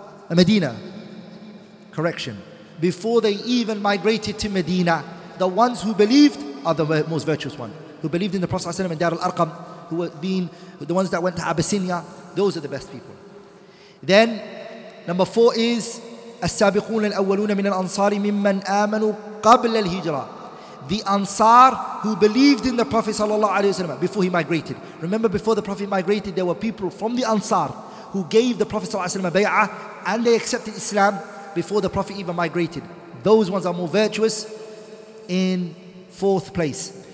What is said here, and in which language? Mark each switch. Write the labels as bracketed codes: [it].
[en] Medina. Correction. Before they even migrated to Medina, the ones who believed are the most virtuous ones. Who believed in the Prophet ﷺ and Dar al-Arqam, who were being the ones that went to Abyssinia, those are the best people. Then, number four is [ar] السابقون الأولون من الأنصار ممن آمنوا قبل الهجرة. [en] The Ansar who believed in the Prophet ﷺ before he migrated. Remember, before the Prophet migrated, there were people from the Ansar who gave the Prophet ﷺ a bay'ah and they accepted Islam before the Prophet even migrated. Those ones are more virtuous in fourth place.